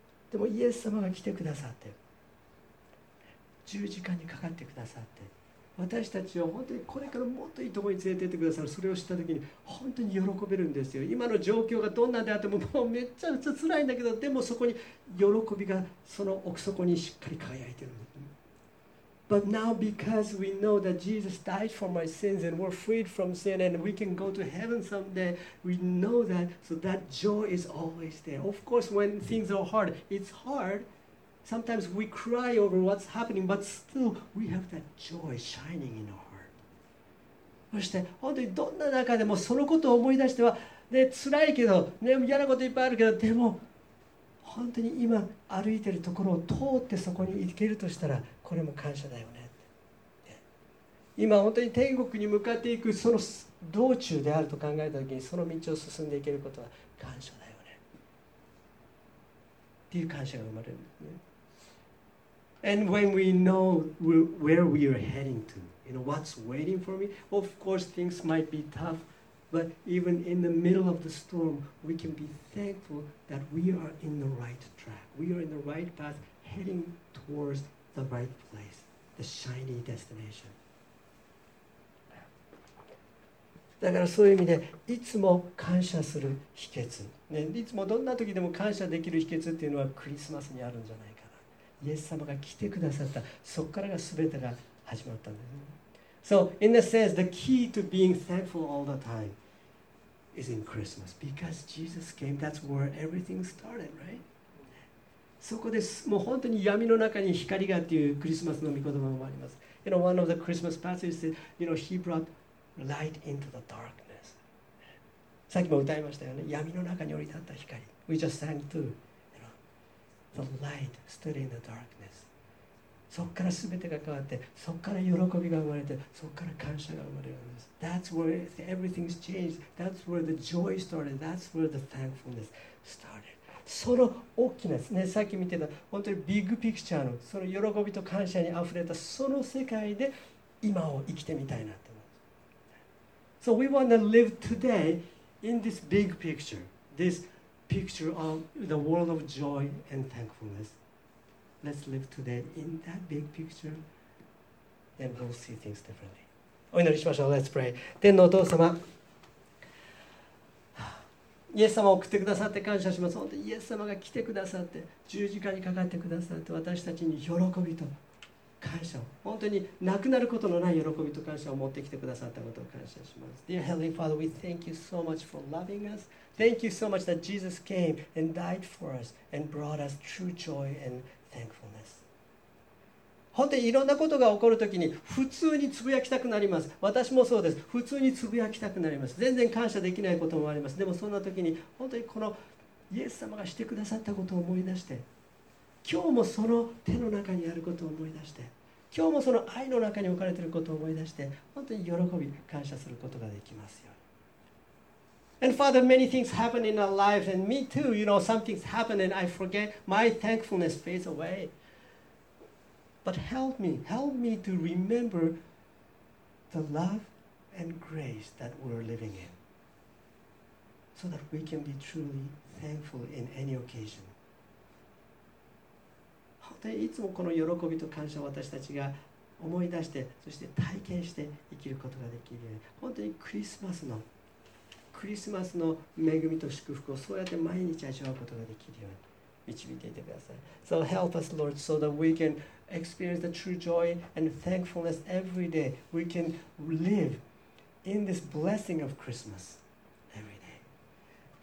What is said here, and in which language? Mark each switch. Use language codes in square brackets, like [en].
[ja] でもイエス様が来てくださって、十字架にかかってくださって、私たちを本当にこれからもっといいところに連れて行ってくださる、それを知った時に本当に喜べるんですよ。今の状況がどんなであってももうめっちゃめっちゃ辛いんだけど、でもそこに喜びがその奥底にしっかり輝いてるんだ。 [en] But now because we know that Jesus died for my sins and we're freed from sin and we can go to heaven someday, we know that, so that joy is always there. Of course when things are hard, it's hardSometimes we cry over what's happening, but still we have that joy shining in our heart. [ja] そして本当にどんな中でもそのことを思い出しては、ね、辛いけど、ね、嫌なこといっぱいあるけど、でも本当に今歩いてるところを通ってそこに行けるとしたら、これも感謝だよね。今本当に天国に向かっていくその道中であると考えたときに、その道を進んでいけることは感謝だよね。っていう感謝が生まれるんですね。 [en] And when we know where we are heading to, you know, what's waiting for me, of course things might be tough, but even in the middle of the storm, we can be thankful that we are in the right track. We are in the right path, heading towards the right place, the shiny destination. [ja] だからそういう意味で、いつも感謝する秘訣、ね、いつもどんな時でも感謝できる秘訣っていうのはクリスマスにあるんじゃないか。イエス様が来てくださった、そこからが全てが始まったんです、ね、 [en] So in a sense the key to being thankful all the time is in Christmas because Jesus came, that's where everything started, right? [ja] そこでもう本当に闇の中に光がっていうクリスマスの御言葉もあります。 [en] You know, one of the Christmas passages said, you know, he brought light into the darkness. [ja] さっきも歌いましたよね、闇の中に降り立った光。 [en] We just sang tooThe light stood in the darkness. [ja] そこから全てが変わって、そこから喜びが生まれて、そこから感謝が生まれるんです。 [en] That's where everything's changed. That's where the joy started. That's where the thankfulness started. [ja] その大きなですね、さっき見てた本当にビッグピクチャーのその喜びと感謝にあふれたその世界で今を生きてみたいなと思います。 [en] So we want to live today in this big picture. This. Picture of the world of joy and thankfulness. Let's live today in that big picture, then we'll see things differently. [ja] お祈りしましょう。 [en] Let's pray. [ja] 天のお父様、イエス様を送ってくださって感謝します。本当にイエス様が来てくださって、十字架にかかってくださって、私たちに喜びと感謝を、本当になくなることのない喜びと感謝を持ってきてくださったことを感謝します。 [en] Dear Heavenly Father, we thank you so much for loving us. Thank you so much that Jesus came and died for us and brought us true joy and thankfulness. [ja] 本当にいろんなことが起こるときに普通につぶやきたくなります。私もそうです。普通につぶやきたくなります。全然感謝できないこともあります。でもそんなときに本当にこのイエス様がしてくださったことを思い出して、今日もその手の中にあることを思い出して、今日もその愛の中に置かれていることを思い出して、本当に喜び、感謝することができますよ。 [en] And Father, many things happen in our lives, and me too, you know, some things happen and I forget, my thankfulness fades away. But help me to remember the love and grace that we're living in, so that we can be truly thankful in any occasion. [ja] 本当にいつもこの喜びと感謝を私たちが思い出して、そして体験して生きることができるように、本当にクリスマスの恵みと祝福をそうやって毎日味わうことができるように導いていてください。 [en] So help us, Lord, so that we can experience the true joy and thankfulness every day. We can live in this blessing of Christmas every day.